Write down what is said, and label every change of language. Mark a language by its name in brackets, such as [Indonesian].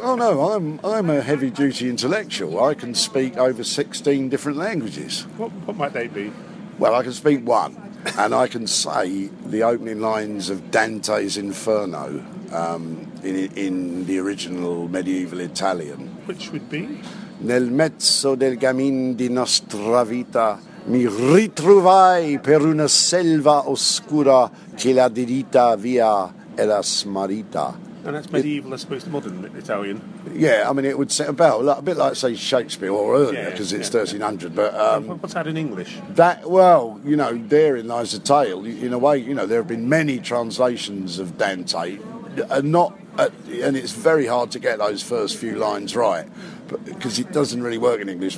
[English] Oh, no, I'm a heavy-duty intellectual. I can speak over 16 different languages. What might they be? Well, I can speak one. And I can say the opening lines of Dante's Inferno in the original medieval Italian. Which would be? [Italian] Nel mezzo del cammin di nostra vita mi ritrovai per una selva oscura che la diritta via era smarrita. [English] And that's medieval, as opposed to modern Italian. Yeah, I mean, it would set a bit like, say, Shakespeare or earlier, because it's 1300. Yeah. But what's that in English? That, well, you know, therein lies the tale. In a way, you know, there have been many translations of Dante, and it's very hard to get those first few lines right, because it doesn't really work in English.